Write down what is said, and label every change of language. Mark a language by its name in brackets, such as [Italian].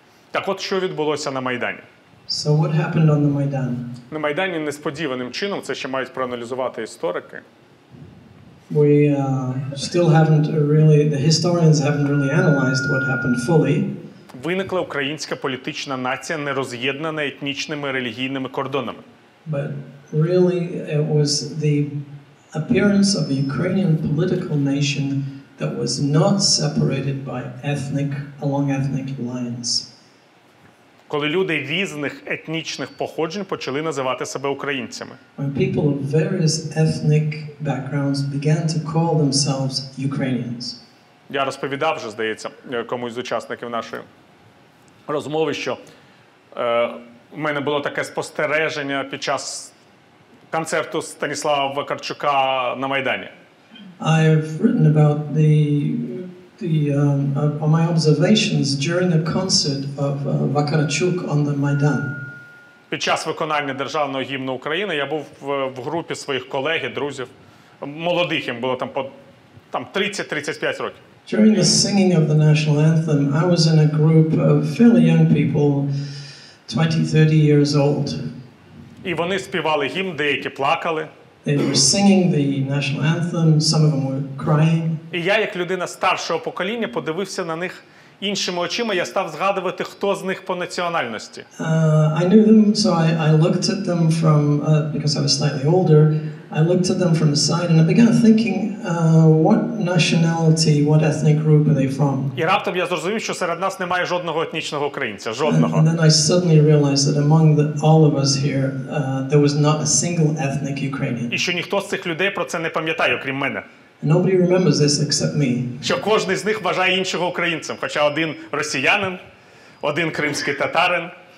[Ukrainian] Так от, що відбулося на Майдані? [English] So what happened on the Maidan? [Ukrainian] На Майдані несподіваним чином, це ще мають проаналізувати історики, [English] we still haven't really, the historians haven't really analyzed what happened fully. [Ukrainian] Виникла українська політична нація, не роз'єднана етнічними релігійними кордонами. [English] But really it was the appearance of a Ukrainian political nation that was not separated by ethnic, along ethnic lines. [Ukrainian] Коли люди різних етнічних походжень почали називати себе українцями. [English] When people of various ethnic backgrounds began to call themselves Ukrainians. [Ukrainian] Я розповідав вже, здається, комусь з учасників нашої розмови, що у мене було таке спостереження під час концерту Станіслава Вакарчука на Майдані. [English] I've written about my observations during the concert of Вакарчук on the Майдан. [Ukrainian] Під час виконання державного гімну України я був в групі своїх колег і друзів, молодих їм було там по там 30-35 років. [English] During the singing of the national anthem, I was in a group of fairly young people, 20-30 years old. [Ukrainian] І вони співали гімн, деякі плакали. [English] They were singing the national anthem, some of them were crying. [Ukrainian] І я, як людина старшого покоління, подивився на них іншими очима, я став згадувати, хто з них по національності. [English] I knew them, so I looked at them from, because I was slightly older, I looked at them from the side and I began thinking, what nationality, what ethnic group are they from? [Ukrainian] І раптом я зрозумів, що серед нас немає жодного етнічного українця, жодного. [English] And then I suddenly realized that among all of us here, there was not a single ethnic Ukrainian. [Ukrainian] І що ніхто з цих людей про це не пам'ятає, окрім мене. [English] Nobody remembers this except me. [Ukrainian] Що кожен з них вважає іншого українцем, хоча один росіянин, один кримський татарин.